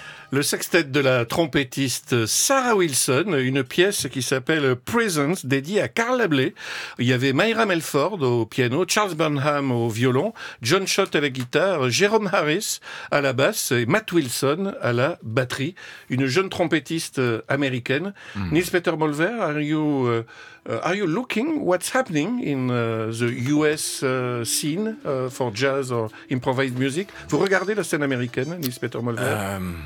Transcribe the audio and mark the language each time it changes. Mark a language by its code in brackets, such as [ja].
[fr] le sextet de la trompettiste Sarah Wilson, une pièce qui s'appelle Presence, dédiée à Carl Laablé. Il y avait Myra Melford au piano, Charles Burnham au violon, John Schott à la guitare, Jérôme Harris à la basse et Matt Wilson à la batterie. Une jeune trompettiste américaine. Mm. [en] Nils Petter Molvær, are you looking what's happening in the US scene for jazz or improvised music? [fr] Vous regardez la scène américaine, Nils Petter Molvær?